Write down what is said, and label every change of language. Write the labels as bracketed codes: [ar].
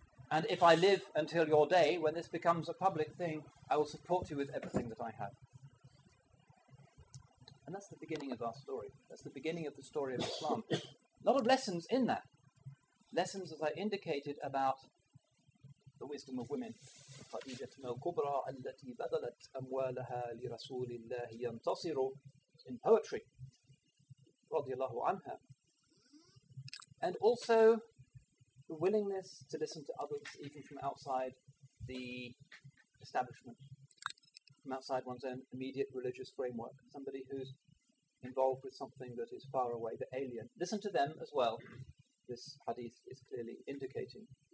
[en] And if I live until your day, when this becomes a public thing, I will support you with everything that I have. And that's the beginning of our story. That's the beginning of the story of Islam. A lot of lessons in that. Lessons, as I indicated, about the wisdom of women. [ar] خَدِيجَةٌ الْكُبْرَى الَّتِي بَذَلَتْ أَمْوَالَهَا لِرَسُولِ اللَّهِ يَنْتَصِرُ [en] In poetry, [ar] رضي الله عنها. [en] And also, the willingness to listen to others, even from outside the establishment, from outside one's own immediate religious framework, somebody who's involved with something that is far away, the alien. Listen to them as well, this hadith is clearly indicating.